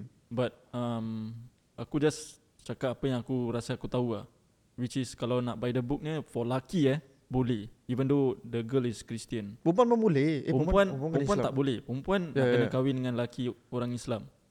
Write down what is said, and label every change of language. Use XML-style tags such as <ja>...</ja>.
<en>But</en> <ms>aku just cakap apa yang aku rasa aku tahu lah. Which is kalau nak</ms> <en>by the book</en> <ms>ni for lucky boleh.</ms> <en>Even though the girl is Christian.</en> <ms>Perempuan pun boleh. Perempuan tak boleh. Perempuan nak kena kahwin dengan lelaki orang Islam.</ms>